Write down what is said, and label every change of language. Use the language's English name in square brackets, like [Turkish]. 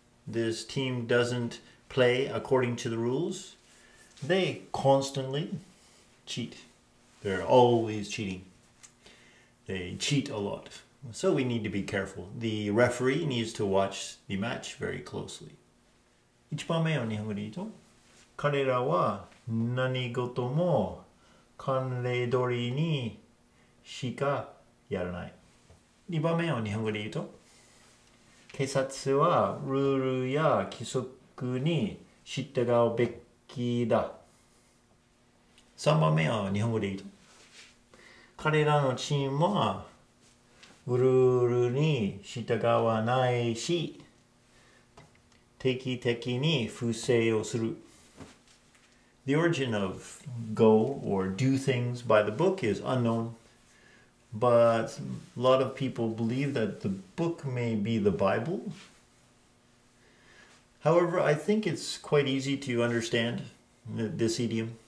[English] This team doesn't play according to the rules. They constantly cheat. They're always cheating. They cheat a lot. So we need to be careful. The referee needs to watch the match very closely. [Japanese] 一番目を日本語で言うと、彼らは何事も慣例通りにしかやらない。二番目を日本語で言うと、警察はルールや規則に従うべきだ。三番目を日本語で言うと、彼らのチームはルールに従わないし、定期的に不正をする。 [English] The origin of go or do things by the book is unknown, but a lot of people believe that the book may be the Bible. However, I think it's quite easy to understand this idiom.